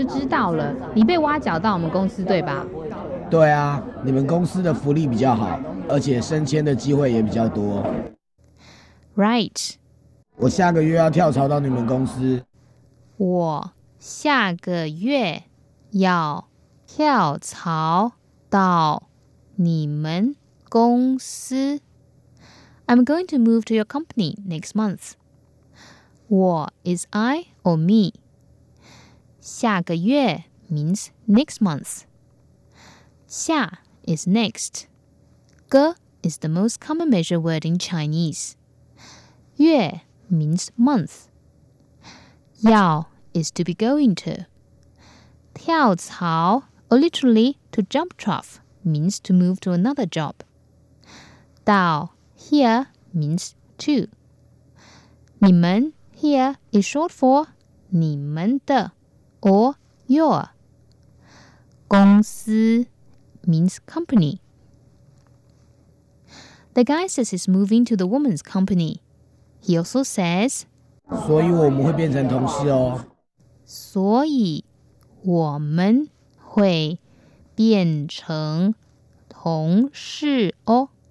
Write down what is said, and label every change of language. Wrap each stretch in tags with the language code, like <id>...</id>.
<en>I'm going to go to the next one.</en> <zh>对啊，你们公司的福利比较好，而且升迁的机会也比较多。</zh> <en>Right.</en> <zh>我下个月要跳槽到你们公司。我下个月要跳槽到你们公司。</zh> <en>I'm going to move to your company next month. 我 is I or me. 下个月 means next month. 下 is next. 个 is the most common measure word in Chinese. 月 means month. 要 is to be going to. 跳槽 or literally to jump trough means to move to another job. 到 here means to. 你们 here is short for 你们的 or your. 公司means company. The guy says he's moving to the woman's company. He also says,</en> <zh>所以我们会变成同事哦。所以我们会变成同事哦。</zh>